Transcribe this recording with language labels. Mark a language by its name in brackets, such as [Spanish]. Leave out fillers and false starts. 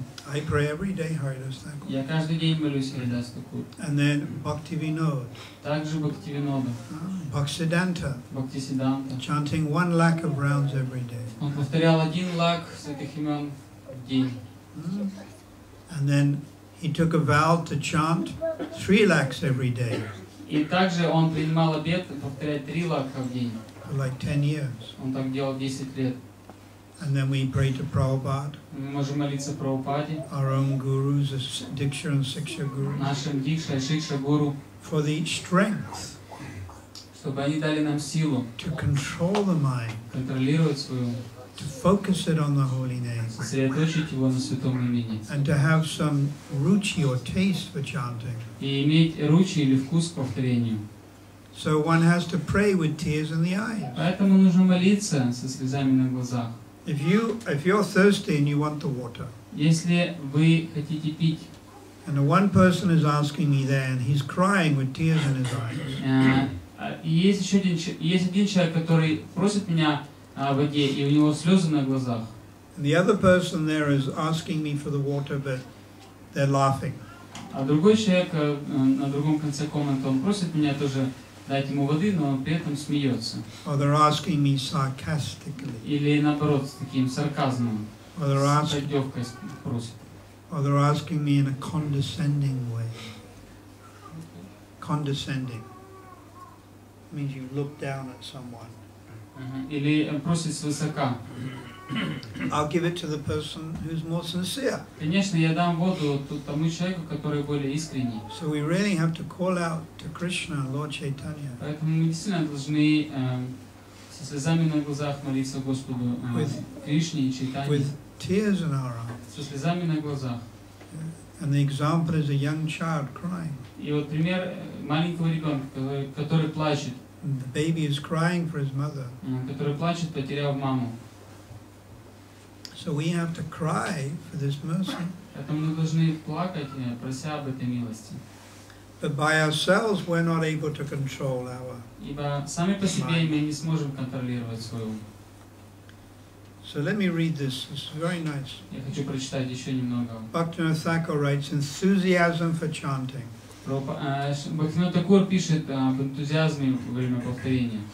[English] I pray every day Харидас Такур. [Russian] Я каждый день молюсь Харидас Такур. [English] And then Бхактивинод. [Russian] Также Бхактивинода. Бхактисиданта. Бхактисиданта. [English] Chanting 1 lakh of rounds every day. [Russian] Он повторял 1 lakh святых имен в день. [English] And then he took a vow to chant 3 lakhs every day. [Russian] И также он принимал обет повторять 3 lakh в день. [English] For like 10 years. [Russian] Он так делал 10 лет. [English] And then we pray to Prabhupada, our own gurus, Diksha and Siksha gurus, for the strength to control the mind, to focus it on the holy name, and to have some ruchi or taste for chanting. So one has to pray with tears in the eyes. If you're thirsty and you want the water, [Russian] если вы хотите пить, [English] and one person is asking me there and he's crying with tears in his eyes, [Russian] есть один человек, который просит меня о воде, и у него слезы на глазах. [English] And the other person there is asking me for the water, but they're laughing. [Russian] А другой человек на другом конце комнаты, он просит меня тоже дать ему воды, но при этом смеется. [English] Or they're asking me sarcastically. [Russian] Или наоборот, с таким сарказмом. [English] Or they're asking, [Russian] с поддевкой спросит. [English] Or they're asking me in a condescending way. Condescending. It means you look down at someone. [Russian] Или просит свысока. [English] I'll give it to the person who's more sincere. [Russian] Конечно, я дам воду тому человеку, который более искренний. [English] So we really have to call out to Krishna, Lord Chaitanya. [Russian] Поэтому мы действительно должны со слезами на глазах молиться Господу Кришне и Чайтанье. [English] With tears in our eyes. [Russian] Со слезами на глазах. [English] And the example is a young child crying. [Russian] И вот пример маленького ребенка, который плачет. [English] The baby is crying for his mother. [Russian] Который плачет, потеряв маму. [English] So we have to cry for this mercy. [Russian] Поэтому мы должны плакать, прося об этой милости. [English] But by ourselves, we're not able to control our. [Russian] Ибо сами по себе мы не сможем контролировать свой ум. [English] So let me read this. This is very nice. [Russian] Я хочу прочитать еще немного. [English] Bhaktivinoda Thakur writes enthusiasm for chanting. [Russian] Бхактивинода Такур пишет об энтузиазме во время повторения.